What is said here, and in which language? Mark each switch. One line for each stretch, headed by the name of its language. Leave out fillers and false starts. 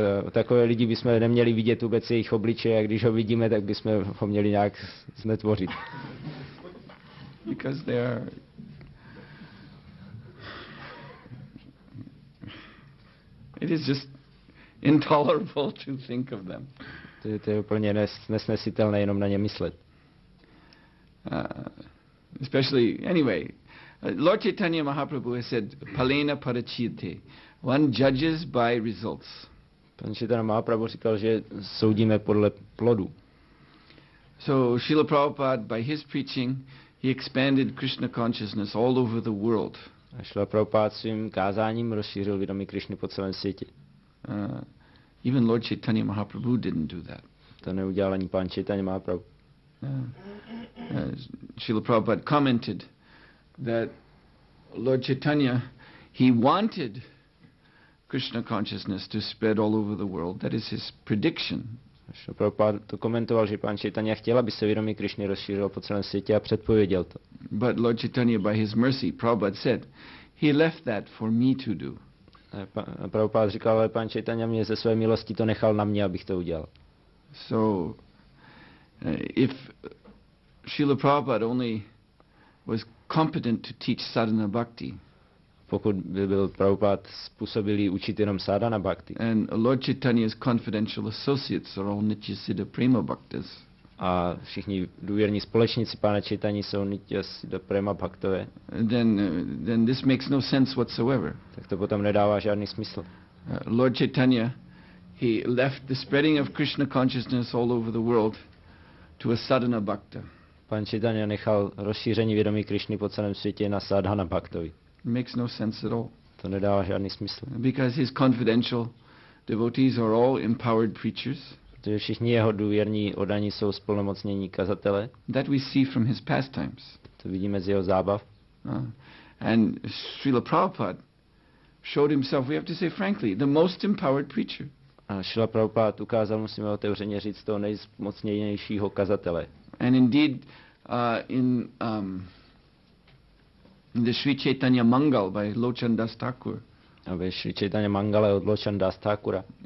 Czech: Takové lidi bychom neměli vidět vůbec jejich obličeje, a když ho vidíme, tak bychom ho měli nějak znetvořit.
English: Because they are it is just intolerable to think of them.
Czech: To je úplně nesnesitelné jenom na ně myslet.
English: Especially anyway, Lord Chaitanya Mahaprabhu has said
Sanskrit: palena parachyate.
English: One judges by results.
Czech: Pan Chaitanya Mahaprabhu říkal, že soudíme podle plodu.
English: So Srila Prabhupada by his preaching he expanded Krishna consciousness all over the world.
Czech: A Srila Prabhupada svým kázáním rozšířil vědomí Krishny po celém světě.
English: Even Lord Chaitanya Mahaprabhu didn't do that.
Czech: To neudělal ani pan Chaitanya Mahaprabhu.
English: Srila Prabhupada commented that Lord Chaitanya, he wanted Krishna consciousness to spread all over the world. That is his prediction.
Czech: Srila Prabhupada to komentoval, že pan Chaitanya chtěl, aby se vědomí Krishny rozšířilo po celém světě a předpověděl to.
English: But Lord Chaitanya, by his mercy, Prabhupada said, he left that for me to do.
Czech: Prabhupada říkal, ale pan Chaitanya mě ze své milosti to nechal na mě, abych to udělal.
English: So, if Srila Prabhupada only was competent to teach sadhana bhakti,
Czech: pokud by byl Prabhupád způsobilý učit jenom sadhana bhakti.
English: And Lord Chaitanya's confidential associates are all Nitya Siddha Prema bhaktas.
Czech: A všichni důvěrní společníci pána Chaitany jsou Nitya Siddha Prema bhaktové.
English: Then this makes no sense whatsoever.
Czech: Tak to potom nedává žádný smysl.
English: Lord Chaitanya, he left the spreading of Krishna consciousness all over the world to a sadhana bhakta.
Czech: Pan Chaitanya nechal rozšíření vědomí Krishny po celém světě na sadhana bhaktovi.
English: Makes no sense at all.
Czech: To nedává žádný smysl.
English: Because his confidential devotees are all empowered preachers.
Czech: Protože všichni jeho důvěrní oddaní jsou splnomocnění kazatele.
English: That we see from his pastimes.
Czech: To vidíme z jeho zábav.
English: And Srila Prabhupada showed himself, we have to say frankly, the most empowered preacher.
Czech: A Srila Prabhupada ukázal, musíme otevřeně říct, toho nejzmocněnějšího kazatele.
English: And indeed, in the Sri Chaitanya Mangal by Lochan Das Thakur.
Czech: A ve Sri Chaitanya Mangale od Lochan Das Thakura.